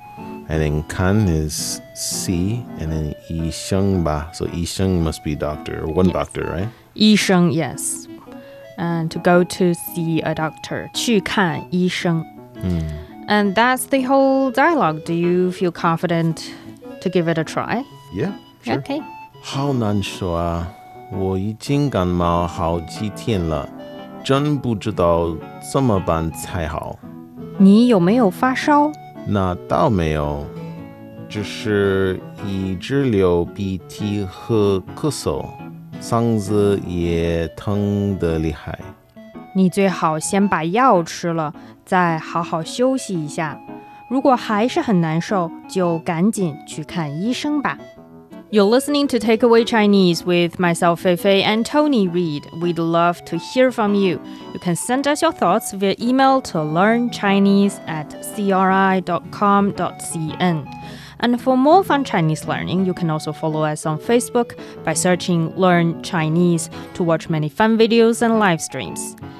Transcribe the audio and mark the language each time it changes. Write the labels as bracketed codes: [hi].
[en] And then 看 is see. And then 医生吧. So 医生 must be doctor or one doctor, right? 医生, yes. And to go to see a doctor. 去看医生. And that's the whole dialogue. Do you feel confident to give it a try? Yeah, sure. Okay. [zh] 好难受啊，我已经感冒好几天了，真不知道怎么办才好。你有没有发烧？那倒没有，只是一直流鼻涕和咳嗽，嗓子也疼得厉害。你最好先把药吃了。再好好休息一下，如果还是很难受，就赶紧去看医生吧。 [en] You're listening to Takeaway Chinese with myself, Feifei, and Tony Reed. We'd love to hear from you. You can send us your thoughts via email to learnchinese@cri.com.cn. And for more fun Chinese learning, you can also follow us on Facebook by searching Learn Chinese to watch many fun videos and live streams.